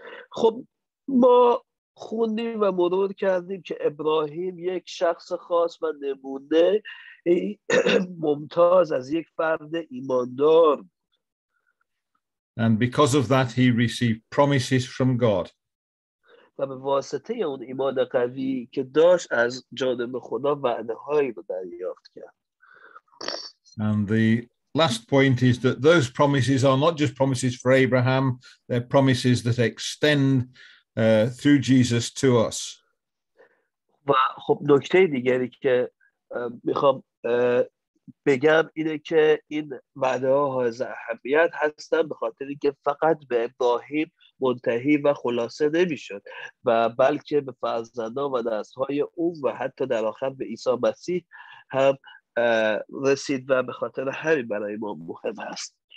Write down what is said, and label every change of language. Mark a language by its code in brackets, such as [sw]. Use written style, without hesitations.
[fa] خب ما خوندیم و مرور کردیم که ابراهیم یک شخص خاص و نمونه ممتاز از یک فرد ایماندار. [en] And because of that, he received promises from God. [fa] و به واسطه اون ایمان قوی که داشت از جانب خدا وعده‌هایی رو دریافت کرد. [en] And the last point is that those promises are not just promises for Abraham, they're promises that extend through Jesus to us. [fa] و خب نکته دیگری که میخوام بگم اینه که این وعده ها حائز اهمیت هستن به خاطر اینکه فقط به ابراهیم منتهی و خلاصه نمیشد و بلکه به فرزندان و نسل‌های او و حتی در آخر به عیسی مسیح هم رسید و به خاطر همین برای ما مهم است.